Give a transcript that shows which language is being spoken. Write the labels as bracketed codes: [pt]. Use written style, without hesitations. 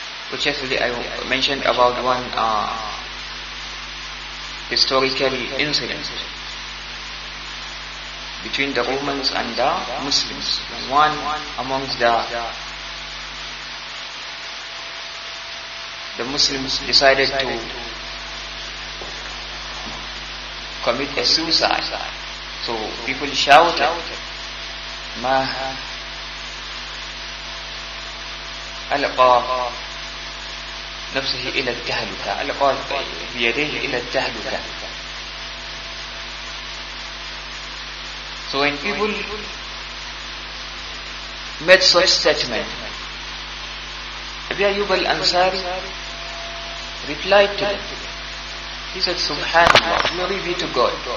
[en] Which actually I mentioned about one historical incident between the Romans and the Muslims. One amongst the Muslims decided to commit a suicide. So people shouted, [ar] "Ma alqa نفسه إلى التهلكة، ألقى بيديه إلى التهلكة." [en] So when people made such statement, Abi Ayyub al-Ansari replied to them. He said, "Subhanallah, glory be to God.